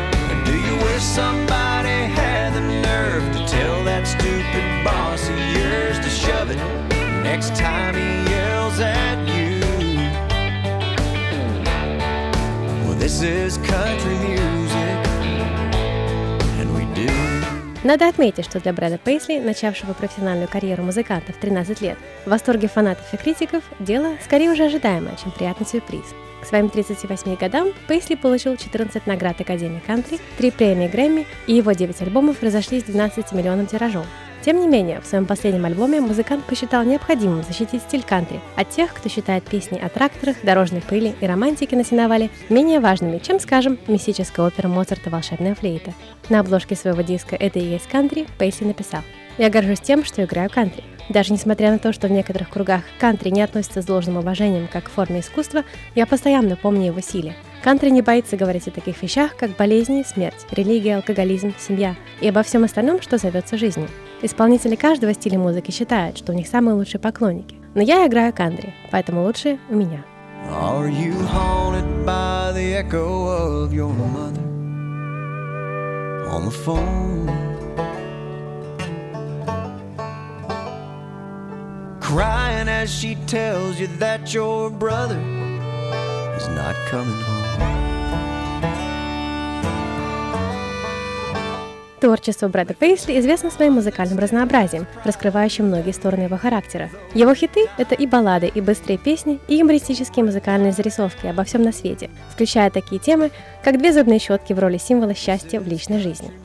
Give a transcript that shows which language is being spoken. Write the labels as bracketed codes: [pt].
[en] And do you wish somebody had the nerve to tell that stupid boss of yours to shove it next time he yells at you? Well, this is country music, and we do. [ru] Надо отметить, что для Брэда Пейсли, начавшего профессиональную карьеру музыканта в 13 лет, в восторге фанатов и критиков, дело скорее уже ожидаемое, чем приятный сюрприз. К своим 38 годам Пейсли получил 14 наград Академии Кантри, 3 премии Грэмми, и его 9 альбомов разошлись 12 миллионов тиражом. Тем не менее, в своем последнем альбоме музыкант посчитал необходимым защитить стиль кантри от тех, кто считает песни о тракторах, дорожной пыли и романтике на сеновале менее важными, чем, скажем, мистическая опера Моцарта «Волшебная флейта». На обложке своего диска «Это и есть кантри» Пейсли написал: «Я горжусь тем, что играю кантри. Даже несмотря на то, что в некоторых кругах кантри не относится с должным уважением как к форме искусства, я постоянно помню его силы. Кантри не боится говорить о таких вещах, как болезни, смерть, религия, алкоголизм, семья и обо всем остальном, что зовется жизнью. Исполнители каждого стиля музыки считают, что у них самые лучшие поклонники. Но я играю кантри, поэтому лучшие у меня». [en] Are you haunted by the echo of your mother on the phone? Crying as she tells you that your brother is not coming home. [ru] Творчество Брэда Пейсли известно своим музыкальным разнообразием, раскрывающим многие стороны его характера. Его хиты — это и баллады, и быстрые песни, и юмористические музыкальные зарисовки обо всем на свете, включая такие темы, как две зубные щетки в роли символа счастья в личной жизни.